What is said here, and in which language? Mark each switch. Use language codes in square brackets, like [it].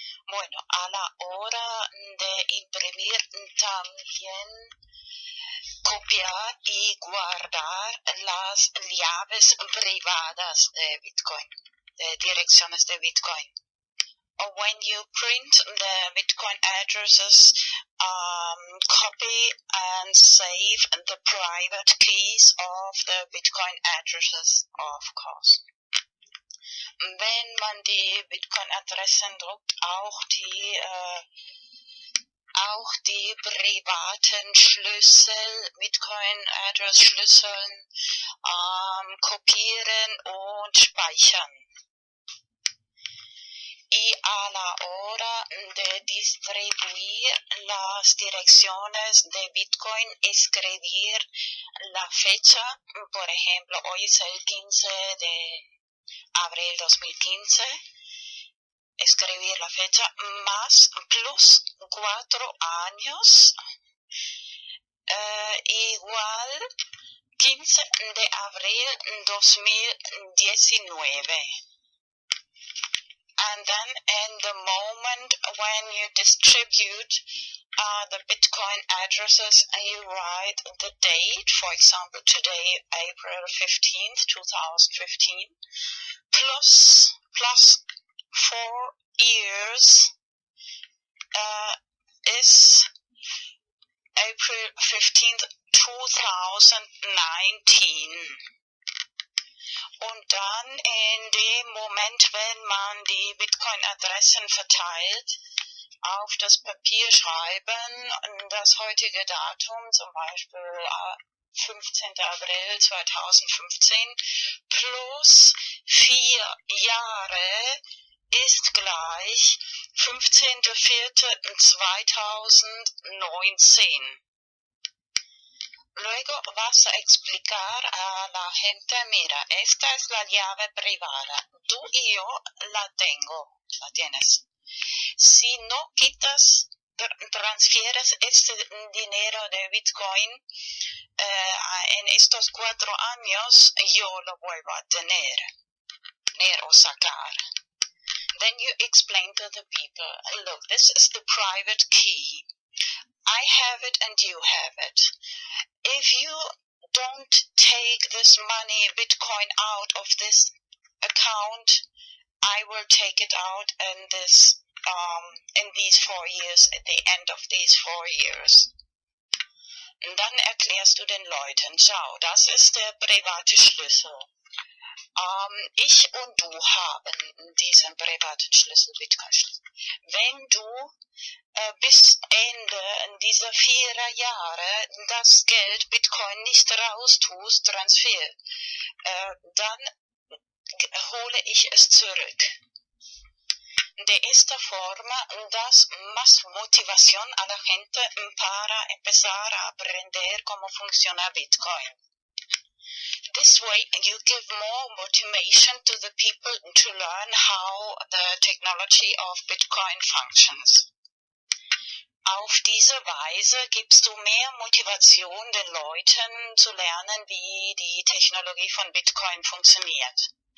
[es] Bueno, a la hora de imprimir también copiar y guardar las llaves privadas de Bitcoin, de direcciones de Bitcoin. [en] When you print the Bitcoin addresses, copy and save the private keys of the Bitcoin addresses, of course. [de] Wenn man die Bitcoin-Adressen druckt, auch die privaten Schlüssel, Bitcoin-Address-Schlüsseln, kopieren und speichern. [es] Y a la hora de distribuir las direcciones de Bitcoin, escribir la fecha, por ejemplo, hoy es el 15 de abril 2015, escribir la fecha más plus 4 años, igual 15 de abril 2019. [en] And then in the moment when you distribute the Bitcoin addresses, you write the date, for example, today, April 15th, 2015, plus 4 years is April 15th, 2019. [de] Und dann in dem Moment, wenn man die Bitcoin-Adressen verteilt, auf das Papier schreiben, das heutige Datum, zum Beispiel 15. April 2015, plus 4 Jahre ist gleich 15.04.2019. [es] Luego vas a explicar a la gente, mira, esta es la llave privada. Tú y yo la tengo, la tienes. Si no quitas, transfieres este dinero de Bitcoin en estos 4 años, yo lo vuelvo a tener, dinero sacar. [en] Then you explain to the people, look, this is the private key. I have it and you have it. If you don't take this money, Bitcoin, out of this account, I will take it out in this, in these 4 years, at the end of these 4 years. [de] Und dann erklärst du den Leuten, schau, das ist der private Schlüssel. Ich und du haben diesen privaten Schlüssel, Bitcoin-Schlüssel. Wenn du bis Ende dieser 4 Jahre das Geld Bitcoin nicht raus tust, Transfer, dann hole ich es zurück. [es] De esta forma das más motivación a la gente para empezar a aprender cómo funciona Bitcoin. [en] This way you give more motivation to the people to learn how the technology of Bitcoin functions. [de] Auf diese Weise gibst du mehr Motivation den Leuten zu lernen, wie die Technologie von Bitcoin funktioniert.